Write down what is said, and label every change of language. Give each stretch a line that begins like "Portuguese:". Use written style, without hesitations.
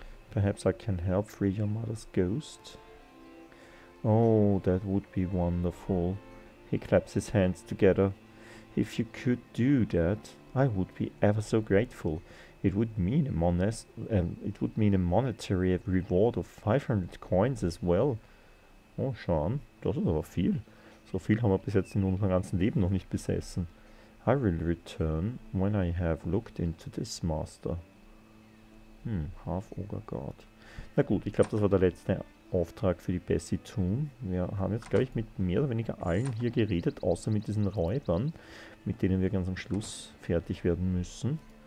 English: Perhaps I can help free your mother's ghost? Oh, that would be wonderful. He claps his hands together. If you could do that, I would be ever so grateful. It would mean a monetary reward of 500 coins as well.
German: Oh, Sean, das ist aber viel. So viel haben wir bis jetzt in unserem ganzen Leben noch nicht besessen.
English: I will return when I have looked into this master. Half ogre god.
German: Na gut, ich glaube, das war der letzte Auftrag für die Bessie Toon. Wir haben jetzt, glaube ich, mit mehr oder weniger allen hier geredet, außer mit diesen Räubern, mit denen wir ganz am Schluss fertig werden müssen.